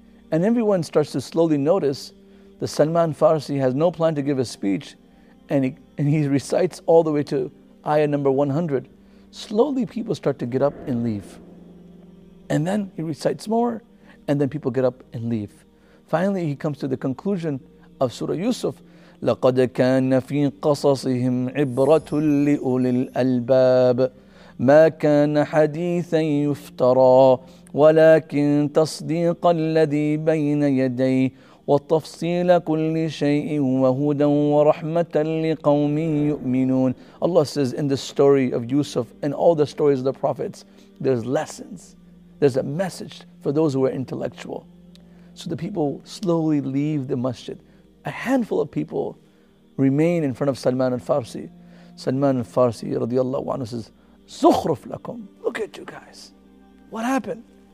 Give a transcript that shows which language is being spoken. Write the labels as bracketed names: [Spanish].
[English] And everyone starts to slowly notice that Salman Farisi has no plan to give a speech, and he recites all the way to ayah number 100. Slowly people start to get up and leave. And then he recites more, and then people get up and leave. Finally, he comes to the conclusion of Surah Yusuf. [Arabic] لَقَدْ كَانَ فِي قَصَصِهِمْ عِبْرَةٌ لِأُولِي الْأَلْبَابِ ما كان حديثا يفترى ولكن تصديق الذي بين يديه وتفصيل كل شيء وهدى ورحمة لقوم يؤمنون. [English] Allah says in the story of Yusuf and all the stories of the prophets, there's lessons. There's a message for those who are intellectual. So the people slowly leave the masjid. A handful of people remain in front of Salman al-Farisi. Salman al-Farisi radiallahu anhu says, Zukhruf lakum. Look at you guys. What happened?